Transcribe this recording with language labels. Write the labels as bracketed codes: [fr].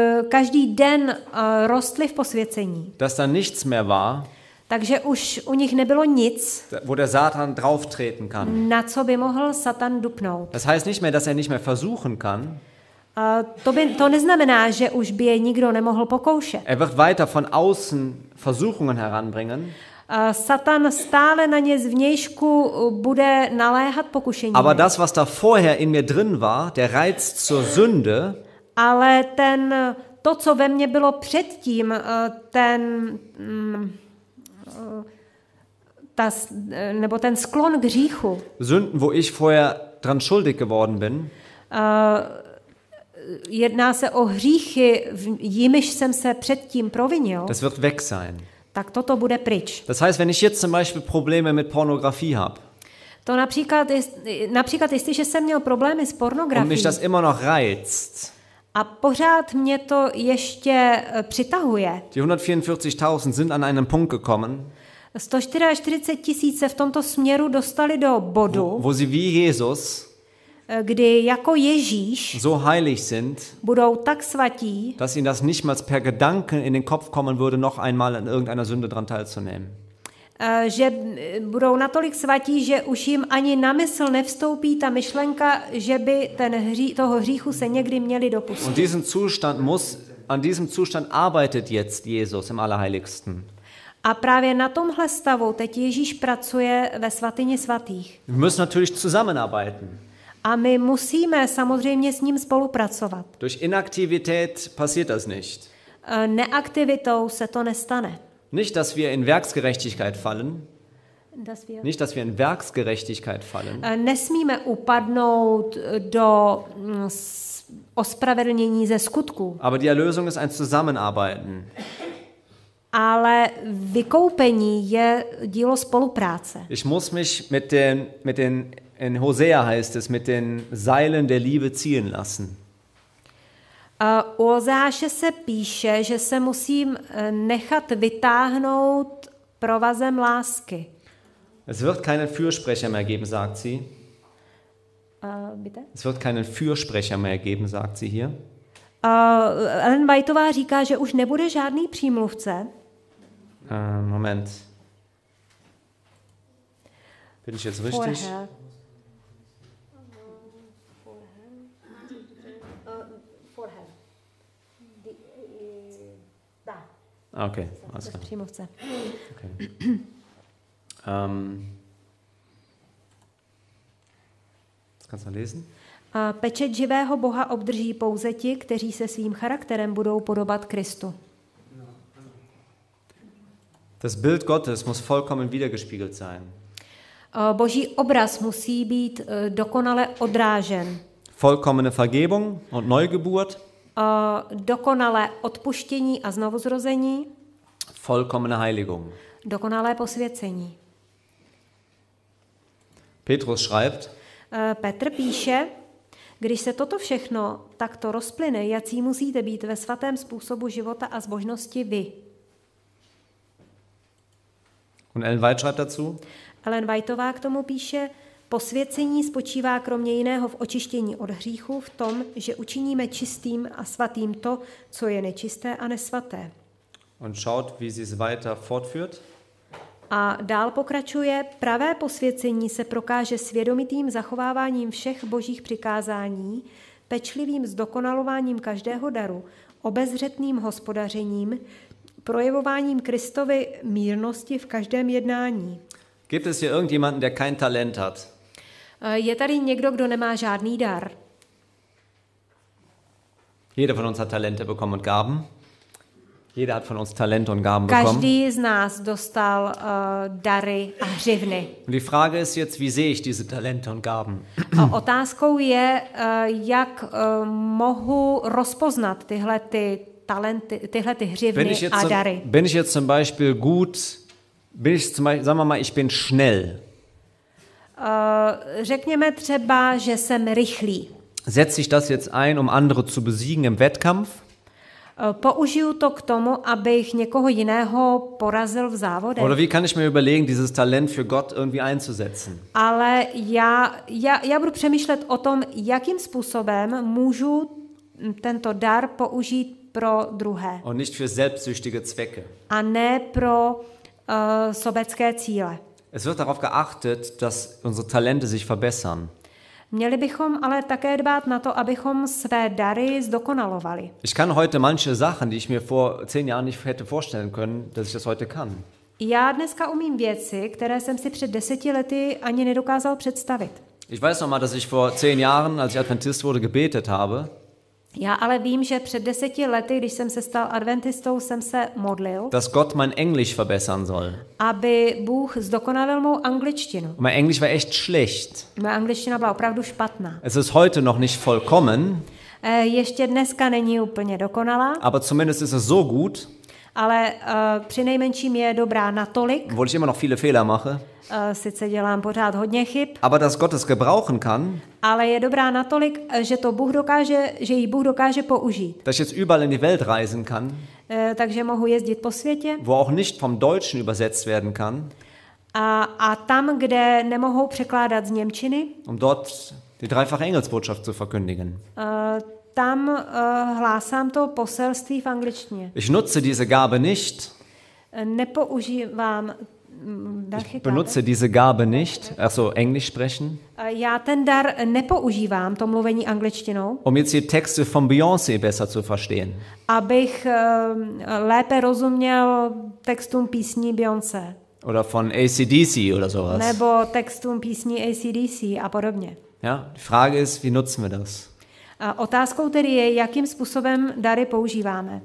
[cs] Každý den rostli v posvěcení. [de] Dass da nichts mehr war. [cs] Takže už u nich nebylo nic, [de] wo der Satan drauftreten kann. [cs] Na co by mohl Satan dupnout. [de] Das heißt nicht mehr, dass er nicht mehr versuchen kann. [cs] To neznamená, že už by je nikdo nemohl pokoušet. [de] Er wird weiter von außen Versuchungen heranbringen. [cs] Satan stále na ně zvnějšku bude naléhat pokušení. [de] Aber das, was da vorher in mir drin war, der Reiz zur Sünde, [cs] ale ten, to, co ve mně bylo předtím, ten... nebo ten sklon k hříchu. [de] Sünden, wo ich vorher dran schuldig geworden bin. [cs] Jedná se o hříchy, jimiž jsem se předtím provinil. [de] Das wird weg sein. [cs] Tak toto bude pryč. [de] Das heißt, wenn ich jetzt zum Beispiel Probleme mit Pornografie habe. [cs] To například jestliže jsem měl problémy s pornografií. [de] Und mich das immer noch reizt. [cs] A pořád mě to ještě přitahuje. [de] Die 144.000 sind an einem Punkt gekommen. [cs] 144 tisíc se v tomto směru dostali do bodu, [de] wo sie wie Jesus, [cs] kdy jako Ježíš, [de] so heilig sind, [cs] budou tak svatí, [de] dass ihnen das nicht mal per Gedanken in den Kopf kommen würde, noch einmal an irgendeiner Sünde dran teilzunehmen. [cs] Že budou natolik svatí, že už jim ani na mysl nevstoupí ta myšlenka, že by toho hříchu se někdy měli dopustit. [de] Und diesen Zustand muss, an diesem Zustand arbeitet jetzt Jesus im Allerheiligsten. [cs] A právě na tomhle stavu teď Ježíš pracuje ve svatyni svatých. [de] Wir müssen natürlich zusammenarbeiten. [cs] A my musíme samozřejmě s ním spolupracovat. [de] Durch Inaktivität passiert das nicht. [cs] Neaktivitou se to nestane. [de] Nicht, dass wir in Werksgerechtigkeit fallen. Dass wir in Werksgerechtigkeit fallen. [cs] Nesmíme upadnout do ospravedlnění ze skutku. [de] Aber die Erlösung ist ein Zusammenarbeiten. [cs] Ale vykoupení je dílo spolupráce. [de] Ich muss mich mit den in Hosea heißt es, mit den Seilen der Liebe ziehen lassen. [cs] U Ozáše se píše, že se musím nechat vytáhnout provazem lásky. [de] Es wird keinen Fürsprecher mehr geben, sagt sie. Bitte? Es wird keinen Fürsprecher mehr geben, sagt sie hier. [cs] Ellen Whiteová říká, že už nebude žádný přímluvce. [de] Moment. Bin ich jetzt richtig? Vorher. Okay, alles klar. Okay. Das kannst du lesen. [cs] Pečet živého Boha obdrží pouze ti, kteří se svým charakterem budou podobat Kristu. [de] Das Bild Gottes muss vollkommen wiedergespiegelt sein. [cs] Boží obraz musí být dokonale odrážen. [de] Vollkommene Vergebung und Neugeburt. [cs] Dokonale odpuštění a znovuzrození. [de] Vollkommene Heiligung. [cs] Dokonalé posvěcení. [de] Petrus schreibt. [cs] Petr píše, když se toto všechno takto rozplyne, jací musíte být ve svatém způsobu života a zbožnosti vy. [de] Und Ellen White schreibt dazu. [cs] Ellen Whiteová k tomu píše, posvěcení spočívá kromě jiného v očištění od hříchu, v tom, že učiníme čistým a svatým to, co je nečisté a nesvaté. [de] Und schaut, wie sie es weiter fortführt. [cs] A dál pokračuje, pravé posvěcení se prokáže svědomitým zachováváním všech božích přikázání, pečlivým zdokonalováním každého daru, obezřetným hospodařením, projevováním Kristovy mírnosti v každém jednání. [de] Gibt es hier irgendjemanden, der kein Talent hat? [cs] Je tady někdo, kdo nemá žádný dar? [de] Jeder von uns hat Talente bekommen und Gaben. Jeder hat von uns Talente und Gaben bekommen. [cs] Každý z nás dostal dary a hřivny. [de] Und die Frage ist jetzt, wie sehe ich diese Talente und Gaben? [cs] Otázkou je, jak mohu rozpoznat tyhle ty hřivny a dary. [de] Bin ich jetzt zum Beispiel gut, bin ich zum Beispiel, sagen wir mal, ich bin schnell. [cs] Řekněme třeba, že jsem rychlý. [de] Setz ich das jetzt ein, um andere zu besiegen im Wettkampf? [cs] Použiju to k tomu, abych někoho jiného porazil v závodech. [de] Oder wie kann ich mir überlegen, dieses Talent für Gott irgendwie einzusetzen? [cs] Ale já budu přemýšlet o tom, jakým způsobem můžu tento dar použít pro druhé. [de] Und nicht für selbstsüchtige Zwecke. [cs] A ne pro sobecké cíle. [de] Es wird darauf geachtet, dass unsere Talente sich verbessern. [cs] Měli bychom ale také dbát na to, abychom své dary zdokonalovali. [de] Ich kann heute manche Sachen, die ich mir vor 10 Jahren nicht hätte vorstellen können, dass ich das heute kann. [cs] Já dneska umím věci, které jsem si před 10 lety ani nedokázal představit. [de] Ich weiß noch mal, dass ich vor 10 Jahren, als ich Adventist wurde, gebetet habe. [cs] Já ale vím, že před 10 lety, když jsem se stal adventistou, jsem se modlil. [de] Dass Gott mein Englisch verbessern soll. [cs] Aby Bůh zdokonalil mou angličtinu. [de] Mein Englisch war echt schlecht. [cs] Moje angličtina byla opravdu špatná. [de] Es ist heute noch nicht vollkommen. [cs] Ještě dneska není úplně dokonalá. [de] Aber zumindest ist es so gut. [cs] Ale přinejmenším je dobrá natolik. [de] Obwohl ich immer noch viele Fehler mache. [cs] Sice dělám pořád hodně chyb. [de] Aber dass Gott es gebrauchen kann. [cs] Ale je dobrá natolik, že to Bůh dokáže, že ji Bůh dokáže použít. [de] Dass ich jetzt überall in die Welt reisen kann. [cs] Takže mohu jezdit po světě. [de] Wo auch nicht vom Deutschen übersetzt werden kann. [cs] A tam, kde nemohou překládat z němčiny. [de] Um dort die dreifache Engelsbotschaft zu verkündigen. [cs] Tam hlásám to poselství v angličtině. [de] Ich nutze diese Gabe nicht. [cs] Nepoužívám. [de] Ich benutze diese Gabe nicht, also Englisch sprechen. [cs] Já ten dar nepoužívám, to mluvení angličtinou. [de] Um jetzt die Texte von Beyoncé besser zu verstehen. [cs] Abych lépe rozuměl textům písní Beyoncé. [de] Oder von AC/DC oder sowas. [cs] Nebo textům písní AC/DC a podobně. [de] Ja, die Frage ist, wie nutzen wir das? [cs] Otázkou tedy je, jakým způsobem dary používáme.